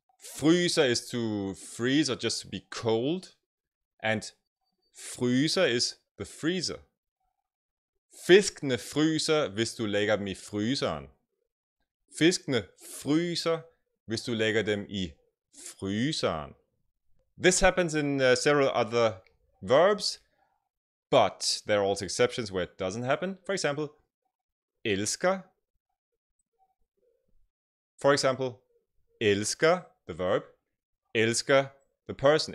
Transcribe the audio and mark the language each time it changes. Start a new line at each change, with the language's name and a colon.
English: Fryser is to freeze or just to be cold, and fryser is the freezer.
Danish: Fiskene fryser, hvis du lægger dem i fryseren. Fiskene fryser, hvis du lægger dem i fryseren.
English: This happens in several other verbs, but there are also exceptions where it doesn't happen. For example, elsker. For example, elsker, the verb. Elsker, the person.